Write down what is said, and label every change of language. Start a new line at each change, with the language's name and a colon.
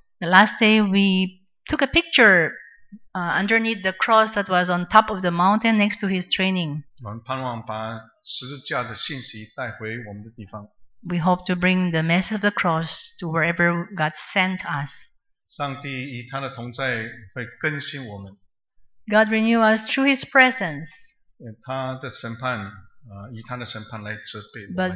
English: The last day, we took a picture underneath the cross that was on top of the mountain next to his training.
Chinese: 我们盼望把十字架的信息带回我们的地方。
English: We hope to bring the message of the cross to wherever God sent us.
Chinese: 上帝以他的同在会更新我们。
English: God renew us through his presence.
Chinese: 他的审判, 以他的审判来责备我们,